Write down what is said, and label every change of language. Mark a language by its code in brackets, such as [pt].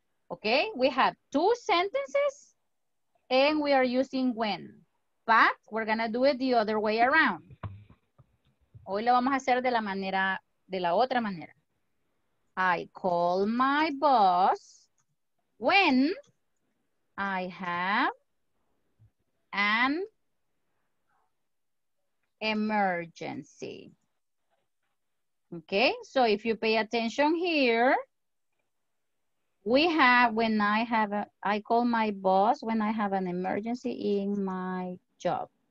[en] Okay, we have two sentences and we are using when. But we're gonna do it the other way around. [es] Hoy lo vamos a hacer de la otra manera. [en] I call my boss when I have an emergency. Okay, so if you pay attention here, I call my boss when I have an emergency in my job.